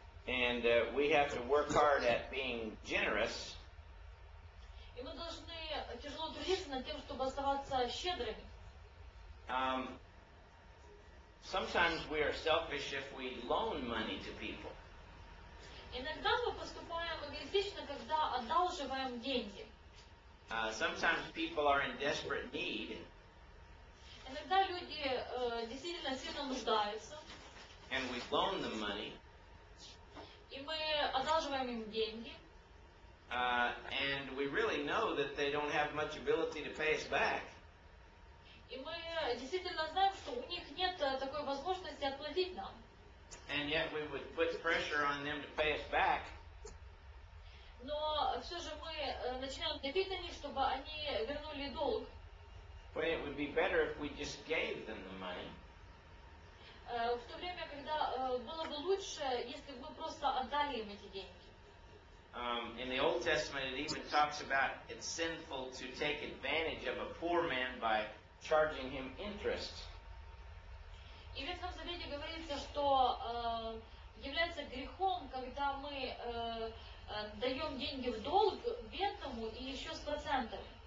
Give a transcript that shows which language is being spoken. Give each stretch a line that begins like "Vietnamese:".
English: And we have to work hard at being generous.
Russian: И мы должны тяжело трудиться над тем, чтобы оставаться щедрыми.
English: Sometimes we are selfish if we loan money to people.
Russian: Иногда мы поступаем эгоистично, когда одалживаем деньги.
English: Sometimes people are in desperate need.
Russian: Иногда люди действительно сильно нуждаются.
English: And we loan them money.
Russian: И мы одалживаем им деньги.
English: And we really know that they don't have much ability to pay us back.
Russian: И мы действительно знаем, что у них нет такой возможности отплатить нам.
English: And yet we would put pressure on them to pay us back.
Russian: Но все же мы начинаем давить на них, чтобы они вернули долг.
English: But it would be better if we just gave them the money.
Russian: В то время, когда было бы лучше, если бы мы просто отдали им эти деньги.
English: In the Old Testament, it even talks about it's sinful to take advantage of a poor man by charging him interest.
Russian: И в Ветхом Завете говорится, что является грехом, когда мы даем деньги в долг бедному и еще с процентами.